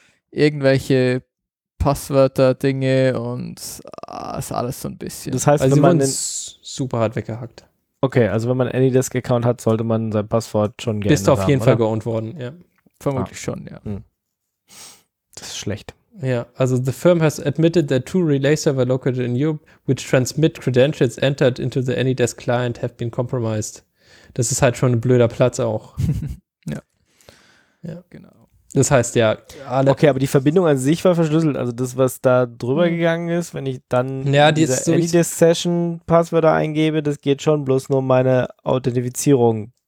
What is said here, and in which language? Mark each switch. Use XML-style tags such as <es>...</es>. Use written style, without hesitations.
<de>Irgendwelche Passwörter-Dinge und ist alles so ein bisschen. Das heißt, also wenn man super hart weggehackt. Okay, also wenn man Anydesk-Account hat, sollte man sein Passwort schon geändert haben. Bist du auf jeden Fall geowned worden, ja. Vermutlich schon, ja. Das ist schlecht. Ja, also</de> <en>the firm has admitted that two relay server located in Europe, which transmit credentials entered into the Anydesk client, have been compromised.</en> <de>Das ist halt schon ein blöder Platz auch. Ja. Ja, genau. Das heißt ja, alle. Okay, aber die Verbindung an sich war verschlüsselt. Also das, was da drüber gegangen ist, wenn ich dann ja, Anydesk-Session-Passwörter eingebe, das geht schon, bloß nur meine Authentifizierung.</de>